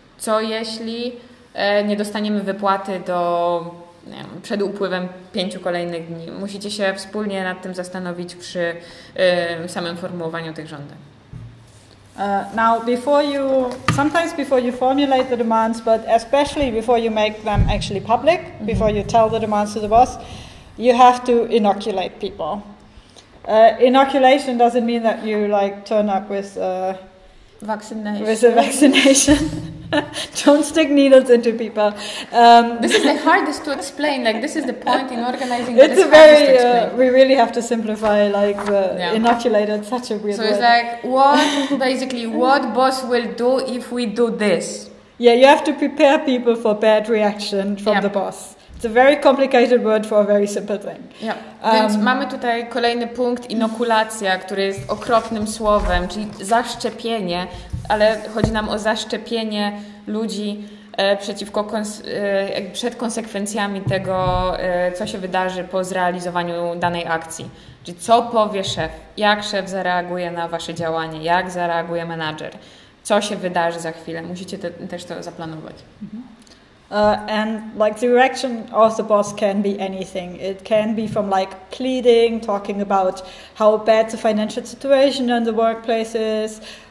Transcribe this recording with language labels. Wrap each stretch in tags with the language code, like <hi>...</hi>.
<pl>Co jeśli nie dostaniemy wypłaty do... Nie wiem, przed upływem 5 kolejnych dni. Musicie się wspólnie nad tym zastanowić przy samym formułowaniu tych żądań.</pl> <en>Now, before you, sometimes before you formulate the demands, but especially before you make them actually public, mm-hmm. before you tell the demands to the boss, you have to inoculate people. Inoculation doesn't mean that you like turn up with a vaccination. With a vaccination. Don't stick needles into people. This is the hardest to explain. Like, this is the point in organizing. It's a very. We really have to simplify. Like the inoculated, such a weird. So it's like what boss will do if we do this? Yeah, you have to prepare people for bad reaction from the boss. It's a very complicated word for a very simple thing. Yeah.</en> <pl>Więc mamy tutaj kolejny punkt, inokulacja, który jest okropnym słowem, czyli zaszczepienie. Ale chodzi nam o zaszczepienie ludzi przeciwko przed konsekwencjami tego, co się wydarzy po zrealizowaniu danej akcji. Czyli co powie szef, jak szef zareaguje na wasze działanie, jak zareaguje menadżer, co się wydarzy za chwilę. Musicie też to zaplanować.</pl> <en>And like the reaction of the boss can be anything. It can be from like pleading, talking about how bad the financial situation in the workplace is.</en>